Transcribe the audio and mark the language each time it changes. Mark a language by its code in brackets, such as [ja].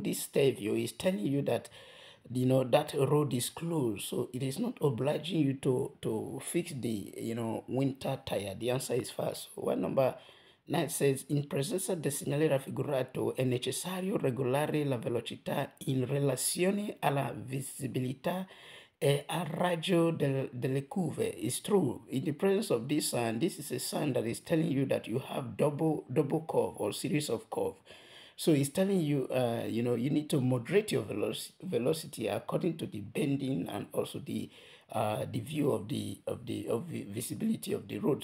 [en] This stereo is telling you that, that road is closed. So it is not obliging you to fix the, winter tire. The answer is false. Well, number 9 says, [it] in presenza del segnale raffigurato è necessario regolare la velocità in relazione alla visibilità a raggio delle curve. [en] It's true. In the presence of this sign, this is a sign that is telling you that you have double curve or series of curve. So it's telling you, you need to moderate your velocity according to the bending and also the view of the visibility of the road.